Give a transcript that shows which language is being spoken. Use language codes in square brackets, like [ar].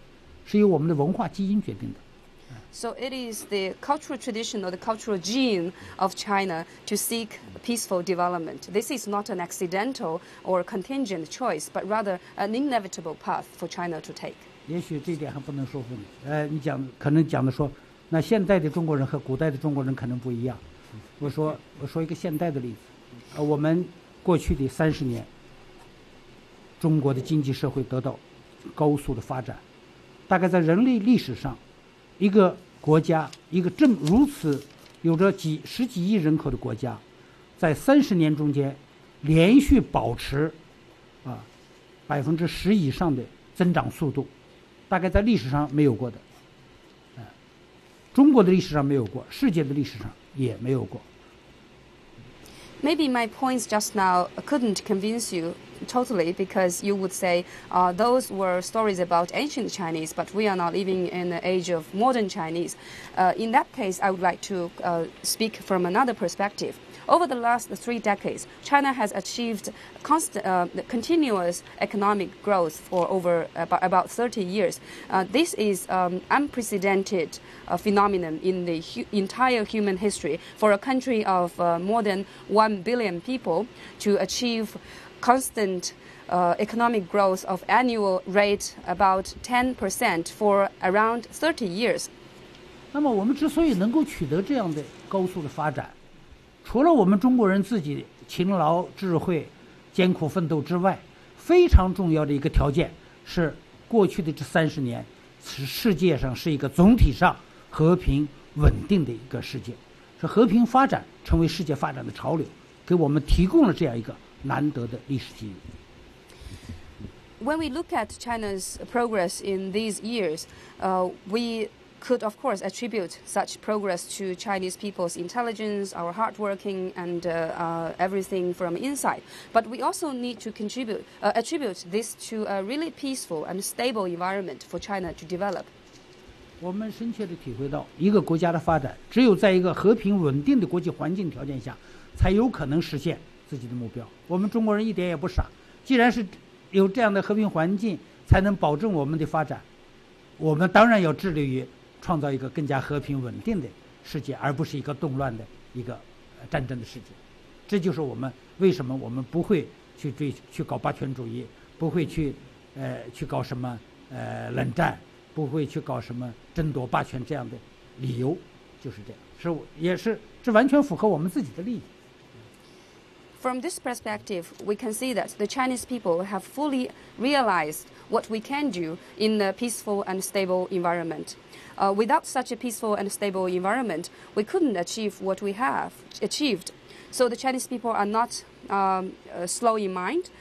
[zh] 所以中国选择和平发展道路不是一个历史的偶然，而是一个历史的必然，是由我们的文化基因决定的。 [en] So it is the cultural tradition or the cultural gene of China to seek peaceful development. This is not an accidental or contingent choice, but rather an inevitable path for China to take. [zh] 也许这点还不能说服你，你讲可能讲的说，那现代的中国人和古代的中国人可能不一样。我说一个现代的例子，我们过去的30年，中国的经济社会得到高速的发展，大概在人类历史上，一个国家一个这么如此有着几十几亿人口的国家，在30年中间，连续保持，百分之10%以上的。增长速度，大概在历史上没有过的，中国的历史上没有过，世界的历史上也没有过。 [en] Maybe my points just now couldn't convince you totally because you would say those were stories about ancient Chinese, but we are now living in the age of modern Chinese. In that case, I would like to speak from another perspective. Over the last three decades, China has achieved continuous economic growth for over about 30 years. This is an unprecedented phenomenon in the entire human history for a country of more than 1 billion people to achieve constant economic growth of annual rate about 10% for around 30 years. [zh] 那么我们之所以能够取得这样的高速的发展，除了我们中国人自己勤劳智慧艰苦奋斗之外，非常重要的一个条件是过去的这三十年世界上是一个总体上和平稳定的一个世界，是和平发展成为世界发展的潮流，给我们提供了这样一个难得的历史机遇。 [en] When we look at China's progress in these years, we could of course attribute such progress to Chinese people's intelligence, our hard working, and everything from inside. But we also need to attribute this to a really peaceful and stable environment for China to develop. [zh] 我们深切地体会到，一个国家的发展，只有在一个和平稳定的国际环境条件下，才有可能实现自己的目标。我们中国人一点也不傻，既然是有这样的和平环境，才能保证我们的发展，我们当然要致力于创造一个更加和平稳定的世界，而不是一个动乱的一个战争的世界。这就是我们为什么我们不会去追去搞霸权主义，不会去去搞什么冷战，不会去搞什么争夺霸权，这样的理由就是这样，是也是这完全符合我们自己的利益。 [en] From this perspective, we can see that the Chinese people have fully realized what we can do in a peaceful and stable environment. Without such a peaceful and stable environment, we couldn't achieve what we have achieved. So the Chinese people are not slow in mind.